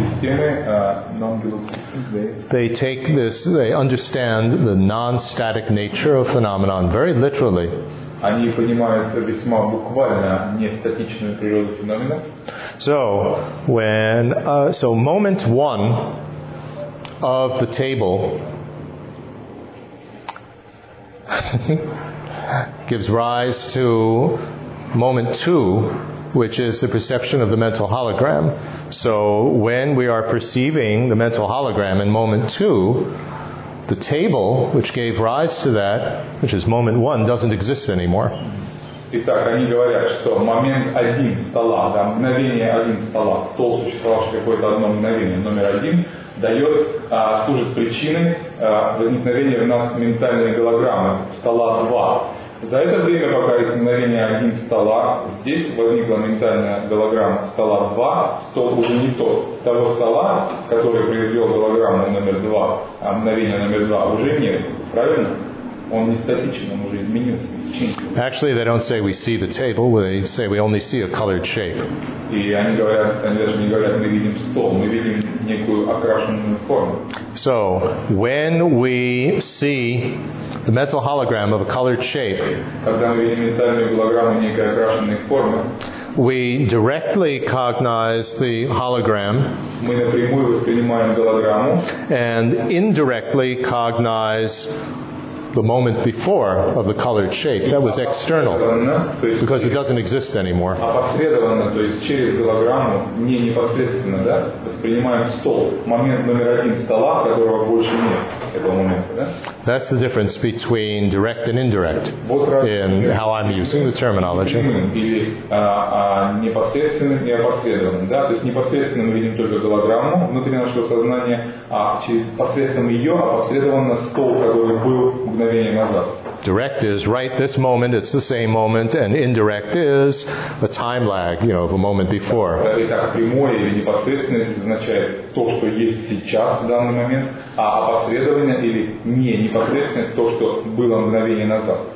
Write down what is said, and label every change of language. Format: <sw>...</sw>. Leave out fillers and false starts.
<en>They take this, they understand the non-static nature of phenomenon very literally.</en> <ru>Они понимают весьма буквально нестатичную природу феномена.</ru> <en>So, when, so moment one of the table gives rise to moment two, which is the perception of the mental hologram. So when we are perceiving the mental hologram in moment two, the table, which gave rise to that, which is moment one, doesn't exist anymore.</en> <ru>Итак, они говорят, что момент один стола, да, мгновение один стола, стол существовал какое-то одно мгновение, номер один, дает, служит причиной возникновения у нас ментальной голограммы, стола два. За это время, пока из мгновения один стола, здесь возникла ментальная голограмма стола 2, стол уже не тот. Того стола, который произвел голограмму номер 2, а мгновение номер 2 уже нет. Правильно? Он не статичен, он уже изменился.</ru> <en>Actually, they don't say we see the table, they say we only see a colored shape.</en> <ru>И они говорят, они даже не говорят, мы видим стол, мы видим некую окрашенную форму.</ru> <en>So, when we see the mental hologram of a colored shape,</en> <ru>когда мы видим ментальную голограмму некой окрашенной формы,</ru> <en>we directly cognize the hologram,</en> <ru>мы напрямую воспринимаем голограмму,</ru> <en>and indirectly cognize the moment before of the colored shape, that was external, because it doesn't exist anymore.</en> <ru>Опосредованно, то есть через голограмму, не непосредственно, да, воспринимаем стол, момент номер один стола, которого больше нет, этого момента, да?</ru> <en>That's the difference between direct and indirect in how I'm using the terminology.</en> <ru>Или непосредственно и опосредованно, да, то есть непосредственно мы видим только голограмму внутри нашего сознания, а через посредством ее опосредованно стол, который был</ru> <en>direct is right this moment, it's the same moment, and indirect is a time lag, you know, of a moment before.</en> <ru>Итак, прямое или непосредственное означает то, что есть сейчас, в данный момент, а опосредованное или не непосредственное то, что было мгновение назад.</ru>